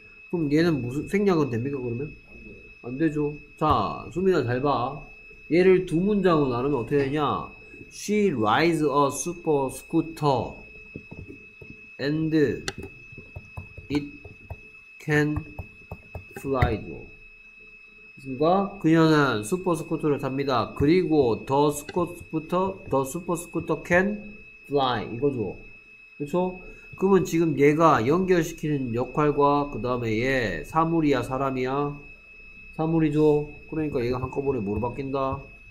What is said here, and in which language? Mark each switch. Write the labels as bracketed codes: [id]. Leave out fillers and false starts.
[ko] 그럼 얘는 무슨 생략은 됩니까? 그러면 안 되죠. 자, 수민아 잘봐 얘를 두 문장으로 나누면 어떻게 되냐. [en] She rides a super scooter and it can fly죠. [ko] 그니까 그녀는 슈퍼 스쿠터를 탑니다. 그리고 [en] 더 슈퍼 스쿠터 can fly [ko] 이거죠. 그렇죠? 그러면 지금 얘가 연결시키는 역할과 그 다음에 얘 사물이야 사람이야 사물이죠. 그러니까 얘가 한꺼번에 뭐로 바뀐다.